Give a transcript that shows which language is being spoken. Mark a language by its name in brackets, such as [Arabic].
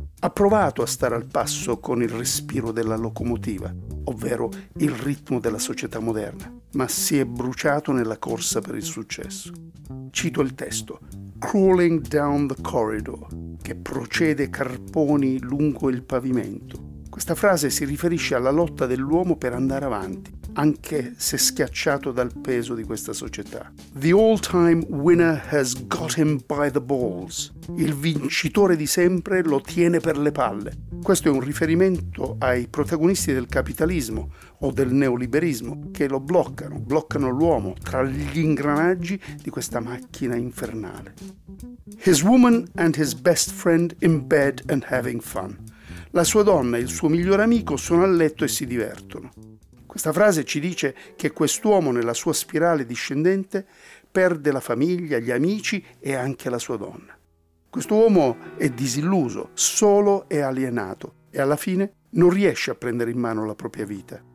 [Italian] Ha provato a stare al passo con il respiro della locomotiva, ovvero il ritmo della società moderna, ma si è bruciato nella corsa per il successo. Cito il testo: [English] crawling down the corridor, [Italian] che procede carponi lungo il pavimento. Questa frase si riferisce alla lotta dell'uomo per andare avanti, anche se schiacciato dal peso di questa società. [English] The all-time winner has got him by the balls. [Italian] Il vincitore di sempre lo tiene per le palle. Questo è un riferimento ai protagonisti del capitalismo o del neoliberismo, che lo bloccano, bloccano l'uomo tra gli ingranaggi di questa macchina infernale. [English] His woman and his best friend in bed and having fun. [Italian] La sua donna e il suo migliore amico sono a letto e si divertono. Questa frase ci dice che quest'uomo, nella sua spirale discendente, perde la famiglia, gli amici e anche la sua donna. Questo uomo è disilluso, solo e alienato, e alla fine non riesce a prendere in mano la propria vita.